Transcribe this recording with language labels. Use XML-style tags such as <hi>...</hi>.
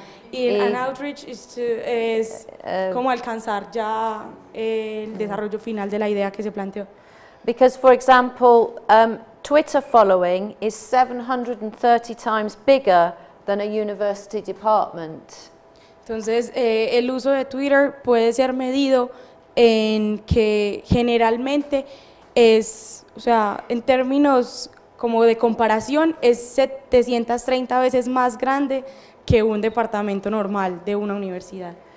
<es>Y an outreach es como alcanzar ya el desarrollo final de la idea que se planteó.</es> <en>Because, for example, Twitter following is 730 times bigger than a university department.</en> <es>Entonces, el uso de Twitter puede ser medido en que generalmente es, o sea, en términos como de comparación, es 730 veces más grande que un departamento normal de una universidad.</es>